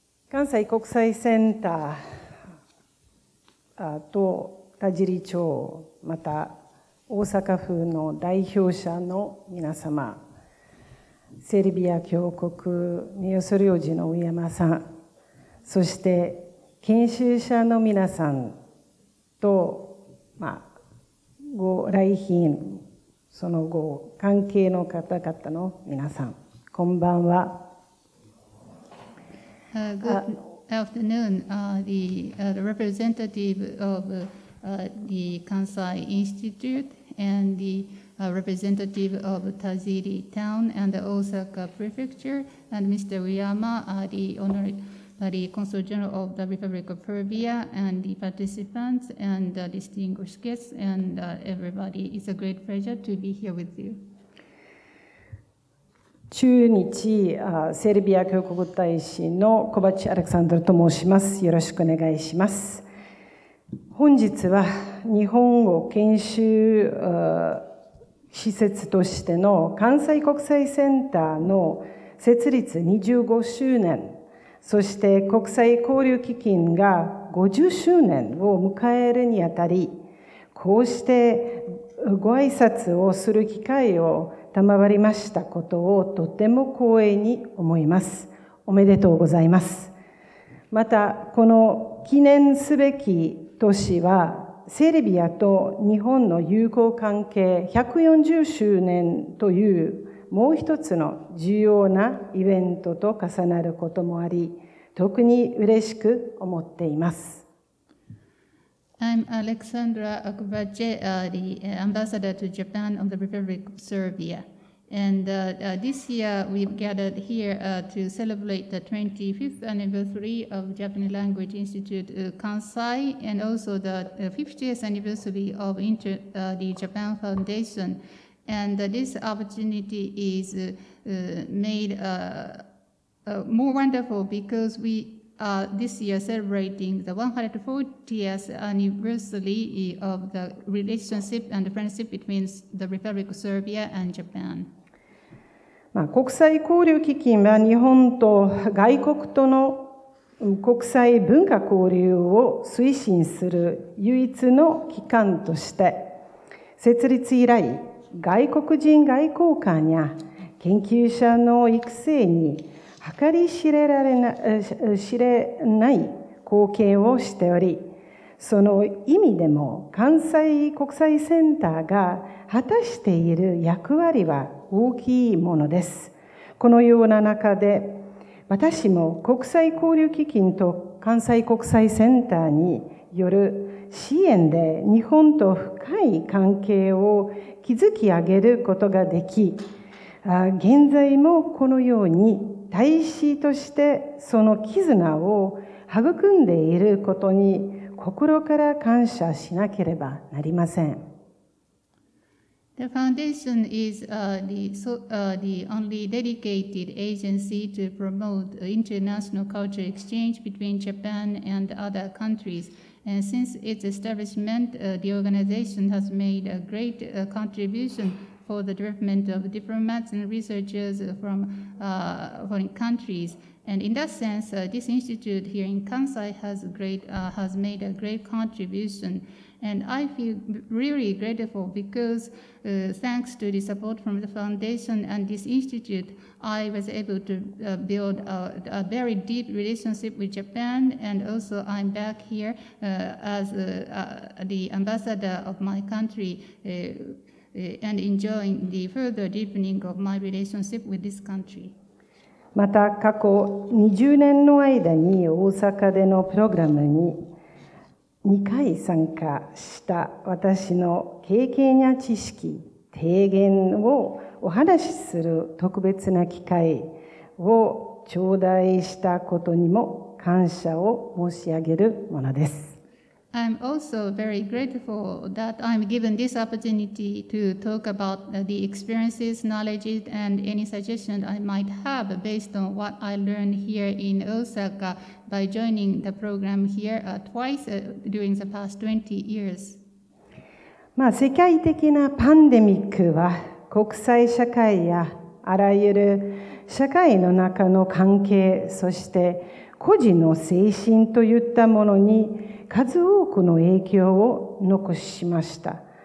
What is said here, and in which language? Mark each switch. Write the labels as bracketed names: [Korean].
[Japanese] 関西国際センターと田尻町、また大阪府の代表者の皆様、セルビア共和国ミオソ領事の上山さん、そして研修者の皆さんと、まあ、ご来賓、その後関係の方々の皆さん、こんばんは。 [English] Good afternoon. The representative of the Kansai Institute and the representative of Tajiri Town and the Osaka Prefecture and Mr. Uyama, the Honorary Consul General of the Republic of Serbia and the participants and the distinguished guests and everybody. It's a great pleasure to be here with you. [Japanese] 中日セルビア共和国大使のコヴァチュ・アレクサンドラと申します。よろしくお願いします。本日は日本語研修施設としての関西国際センターの設立25周年、そして国際交流基金が50周年を迎えるにあたり、こうしてご挨拶をする機会を賜りましたことをとても光栄に思います。おめでとうございます。またこの記念すべき年はセルビアと日本の友好関係140周年というもう一つの重要なイベントと重なることもあり、特に嬉しく思っています。 [English] I'm Aleksandra Kovace, the ambassador to Japan of the Republic of Serbia. And this year we've gathered here to celebrate the 25th anniversary of Japanese Language Institute Kansai and also the 50th anniversary of the Japan Foundation. And this opportunity is made more wonderful because weThis year celebrating the 140th anniversary of the relationship and the friendship between the Republic of Serbia and Japan. [Japanese] 国際交流基金は日本と外国との国際文化交流を推進する唯一の機関として、設立以来、外国人外交官や研究者の育成に計り知れない貢献をしており、その意味でも関西国際センターが果たしている役割は大きいものです。このような中で、私も国際交流基金と関西国際センターによる支援で日本と深い関係を築き上げることができ、現在もこのように大使としてその絆を育んでいることに心から感謝しなければなりません。 [English] The foundation is the only dedicated agency to promote international cultural exchange between Japan and other countries. And since its establishment, the organization has made a great contribution. For the development of diplomats and researchers from foreign countries. And in that sense, this institute here in Kansai has made a great contribution. And I feel really grateful because thanks to the support from the foundation and this institute, I was able to build a very deep relationship with Japan. And also, I'm back here as the ambassador of my country. And enjoying the further deepening of my relationship with this country. [Japanese] また過去20年の間に大阪でのプログラムに2回参加した私の経験や知識、提言をお話しする特別な機会を頂戴したことにも感謝を申し上げるものです。 [English] I'm also very grateful that I'm given this opportunity to talk about the experiences, knowledge, and any suggestions I might have based on what I learned here in Osaka by joining the program here twice during the past 20 years. [Japanese] まあ、世界的なパンデミックは国際社会やあらゆる社会の中の関係、そして個人の精神といったものに数多くの影響を残しました。